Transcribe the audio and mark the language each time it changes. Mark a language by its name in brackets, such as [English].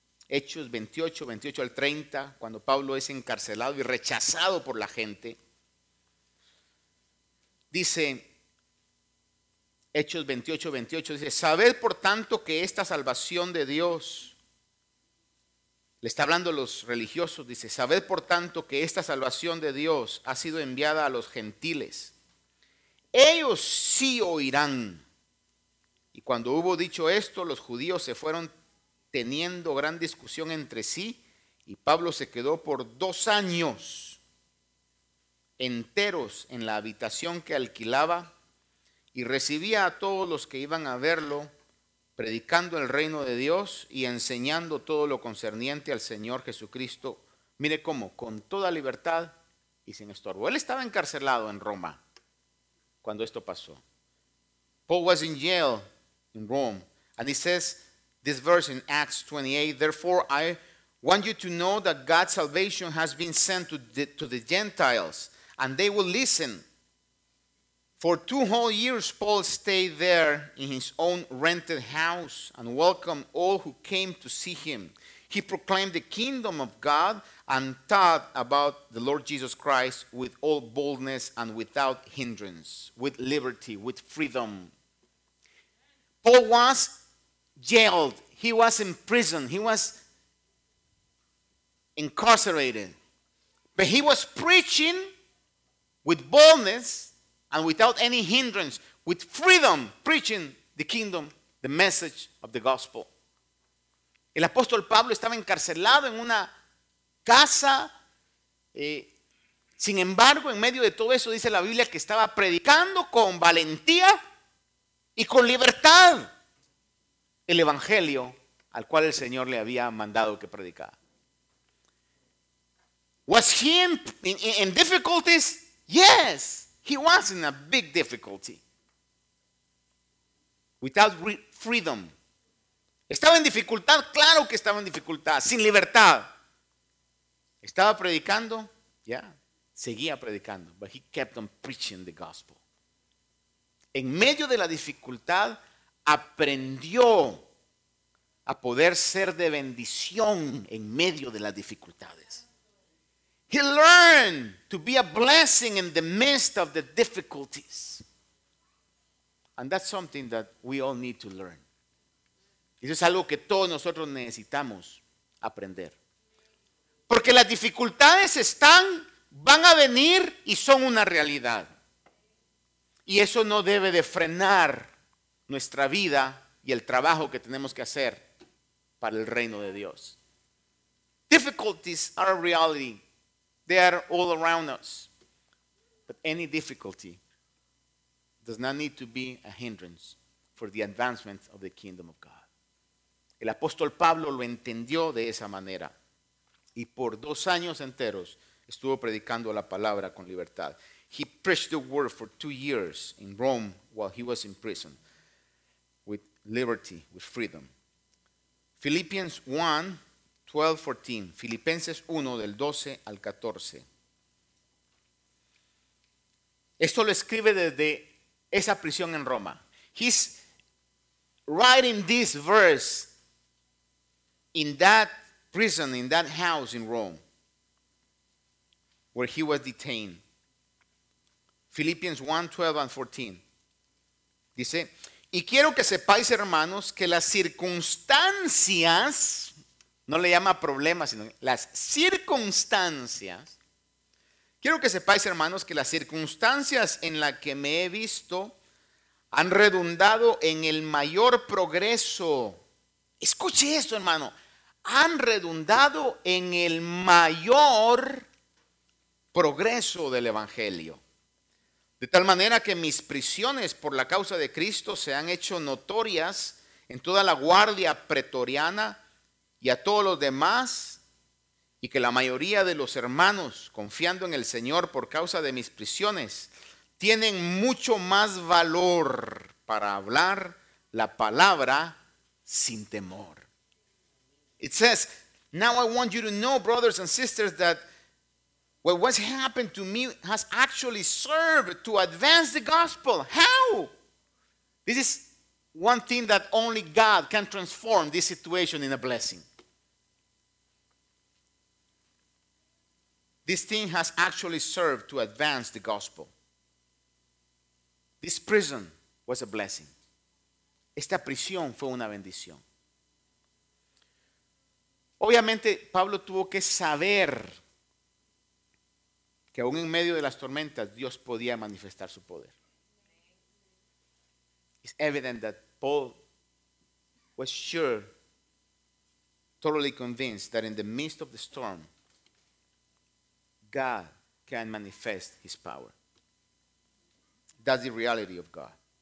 [Spanish] Hechos 28, 28 al 30, cuando Pablo es encarcelado y rechazado por la gente. Dice, Hechos 28, 28, dice, sabed por tanto que esta salvación de Dios, le está hablando a los religiosos, dice, sabed por tanto que esta salvación de Dios ha sido enviada a los gentiles. Ellos sí oirán. Y cuando hubo dicho esto, los judíos se fueron teniendo gran discusión entre sí, y Pablo se quedó por 2 años enteros en la habitación que alquilaba y recibía a todos los que iban a verlo, predicando el reino de Dios y enseñando todo lo concerniente al Señor Jesucristo. Mire cómo, con toda libertad y sin estorbo. Él estaba encarcelado en Roma cuando esto pasó. [English] Paul was in jail in Rome, and he says this verse in Acts 28, therefore I want you to know that God's salvation has been sent to the Gentiles, and they will listen. For 2 whole years, Paul stayed there in his own rented house and welcomed all who came to see him. He proclaimed the kingdom of God and taught about the Lord Jesus Christ with all boldness and without hindrance, with liberty, with freedom. Paul was jailed. He was in prison. He was incarcerated. But he was preaching with boldness and without any hindrance, with freedom, preaching the kingdom, the message of the gospel. [Spanish] El apóstol Pablo estaba encarcelado en una casa. Sin embargo, en medio de todo eso, dice la Biblia que estaba predicando con valentía y con libertad el evangelio al cual el Señor le había mandado que predicara. [English] Was he in difficulties? Yes, he was in a big difficulty. Without freedom. [Spanish] Estaba en dificultad, claro que estaba en dificultad, sin libertad. Estaba predicando, seguía predicando, [English] but he kept on preaching the gospel. [Spanish] En medio de la dificultad, aprendió a poder ser de bendición en medio de las dificultades. [English] He learned to be a blessing in the midst of the difficulties. And that's something that we all need to learn. [Spanish] Eso es algo que todos nosotros necesitamos aprender. Porque las dificultades están, van a venir y son una realidad. Y eso no debe de frenar nuestra vida y el trabajo que tenemos que hacer para el reino de Dios. [English] Difficulties are a reality. They are all around us. But any difficulty does not need to be a hindrance for the advancement of the kingdom of God. [Spanish] El apóstol Pablo lo entendió de esa manera. Y por 2 años enteros estuvo predicando la palabra con libertad. [English] He preached the word for 2 years in Rome while he was in prison, with liberty, with freedom. Philippians 1, 12, 14. [Spanish] Filipenses 1, del 12 al 14. Esto lo escribe desde esa prisión en Roma. [English] He's writing this verse in that prison, in that house in Rome, where he was detained. Philippians 1, 12 and 14. [Spanish] Dice, y quiero que sepáis, hermanos, que las circunstancias, no le llama problemas, sino las circunstancias. Quiero que sepáis, hermanos, que las circunstancias en las que me he visto han redundado en el mayor progreso. Escuche esto, hermano. Han redundado en el mayor progreso del evangelio. De tal manera que mis prisiones por la causa de Cristo se han hecho notorias en toda la guardia pretoriana y a todos los demás. y que la mayoría de los hermanos, confiando en el Señor por causa de mis prisiones, tienen mucho más valor para hablar la palabra sin temor. [English] It says, now I want you to know, brothers and sisters, that what has happened to me has actually served to advance the gospel. How? This is one thing that only God can transform this situation in a blessing. This thing has actually served to advance the gospel. This prison was a blessing. [Spanish] Esta prisión fue una bendición. Obviamente, Pablo tuvo que saber que aún en medio de las tormentas, Dios podía manifestar su poder. [English] It's evident that Paul was sure, totally convinced that in the midst of the storm, God can manifest his power. That's the reality of God.